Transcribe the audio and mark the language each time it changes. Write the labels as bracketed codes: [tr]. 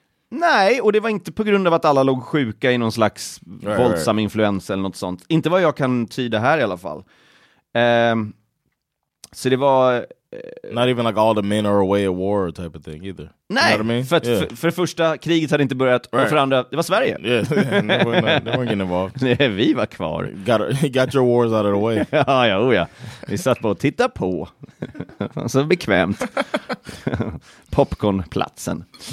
[sv] Nej, och det var inte på grund av att alla låg sjuka i någon slags våldsam influensa eller något sånt. Inte vad jag kan tyda här i alla fall. Så det var [en] not even like all the men are away at war type of thing either. [sv] Nej, [en] you know what I mean? [sv] För det första, kriget hade inte börjat, och för andra, det var Sverige. [en] They weren't getting involved. [sv] Vi var kvar. [en] Got your wars out of the way. [sv] Ja. Vi satt bara och tittade på. Så bekvämt. Popcornplatsen.